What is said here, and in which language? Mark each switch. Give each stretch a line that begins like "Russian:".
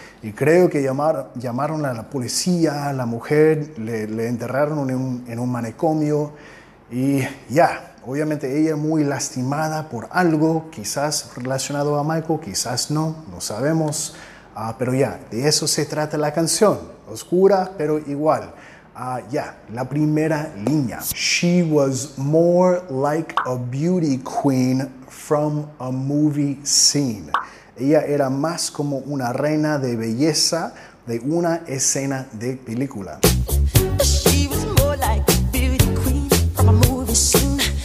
Spanish: Y creo que llamaron a la policía, a la mujer, le enterraron en un manicomio, y ya. Obviamente ella muy lastimada por algo, quizás relacionado a Michael, quizás no sabemos. Pero ya, de eso se trata la canción, oscura, pero igual. La primera línea.
English: She was more like a beauty queen from a movie scene.
Spanish: Ella era más como una reina de belleza de una escena de película.
English: She was more like a beauty queen from a movie scene.